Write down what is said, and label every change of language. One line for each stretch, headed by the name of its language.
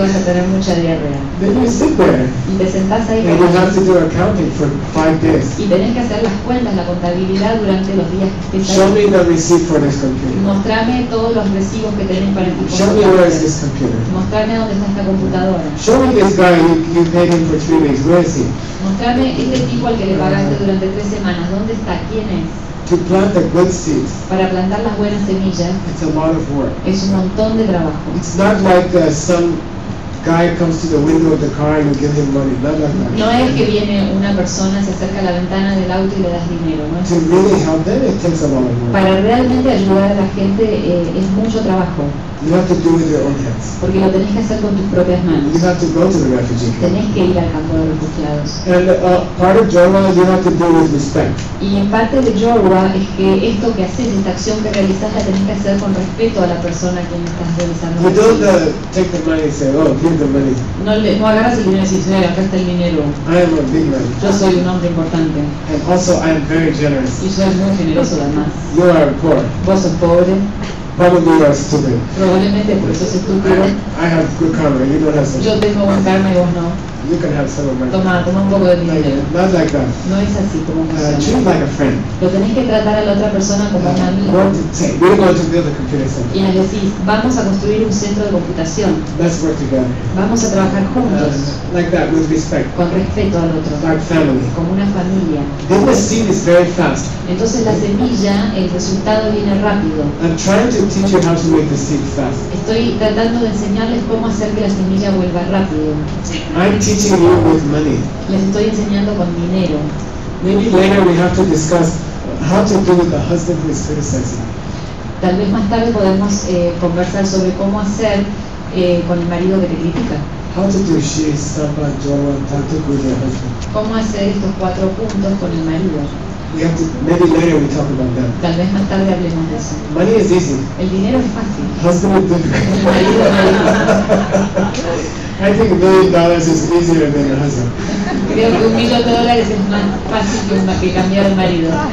Spanish: Antes de ir, ya sabes que vas a tener mucha diarrea.
English: Then you sit there.
Spanish: Y te sentás ahí.
English: And you have to do
Spanish: y tenés que hacer las cuentas, la contabilidad durante los días que estás.
English: Show me the receipt for this computer.
Spanish: Mostrame todos los recibos que tenés para tu
English: show
Spanish: computador.
English: Me where is this computer.
Spanish: Mostrame dónde está esta computadora.
English: Show me this guy you paid him for 3 weeks. Where is he?
Spanish: Mostrame este tipo al que le pagaste durante 3 semanas. ¿Dónde está? ¿Quién es?
English: To plant the good seeds.
Spanish: Para plantar las buenas semillas.
English: It's a lot of work.
Spanish: Es un montón de trabajo.
English: It's not like some guy comes to the window of the car and you give him money. Not like that.
Spanish: No es que viene una persona, se acerca a la ventana del auto y le das dinero, ¿no?
English: To really help them, it takes a lot of work.
Spanish: Para realmente ayudar a la gente es mucho trabajo.
English: You have to do it with your own hands.
Spanish: Porque lo tenés que hacer con tus propias manos.
English: You have to go to the refugee camp.
Spanish: Tenés que ir al campo de refugiados.
English: And part of Jorwa, you have to do with respect.
Spanish: Y en parte de Jorwa es que esto que haces, esta acción que realizas, la tenés que hacer con respeto a la persona que estás realizando.
English: You don't take the money and say, oh, give the money.
Spanish: No agarras el dinero y dices, oye, acá está el dinero.
English: I am a big man.
Spanish: Yo soy un hombre importante.
English: And also, I am very generous.
Spanish: Y soy muy generoso además.
English: You are poor.
Spanish: Vos sos pobre.
English: Probably you are stupid.
Spanish: Probablemente por eso es estúpido.
English: I have good karma, you don't have such.
Spanish: Yo tengo buen karma y vos no.
English: you can have some of my
Spanish: toma,
English: money.
Spanish: Toma un poco de mi dinero.
English: Not like that.
Spanish: No es así como
English: treat like a friend.
Spanish: Lo tenéis que tratar a la otra persona como un amigo.
English: We're going to build a computer center.
Spanish: Y les decís, vamos a construir un centro de computación.
English: Let's work together.
Spanish: Vamos a trabajar juntos.
English: Like that, with respect.
Spanish: Con respeto al otro.
English: Like family.
Spanish: Como una familia.
English: Then the seed is very fast.
Spanish: Entonces la semilla, el resultado viene rápido.
English: I'm trying to teach you how to make the seed fast.
Spanish: Estoy tratando de enseñarles cómo hacer que la semilla vuelva rápido.
English: I'm teaching you with money.
Spanish: Les estoy enseñando con dinero.
English: Maybe later we have to discuss how to deal with the husband who is criticizing.
Spanish: Tal vez más tarde podemos conversar sobre cómo hacer con el marido que te critica.
English: How to do she, Sapa, Jorwa, Tantuk with your husband.
Spanish: ¿Cómo hacer estos cuatro puntos con el marido?
English: We have to, maybe later we talk about that.
Spanish: Tal vez más tarde hablemos de eso.
English: Money is easy.
Spanish: El dinero es fácil.
English: Husband is difficult.
Spanish: El marido es difícil.
English: I think $1 million is easier than a husband.
Spanish: Creo que $1,000,000 es más fácil que cambiar el marido.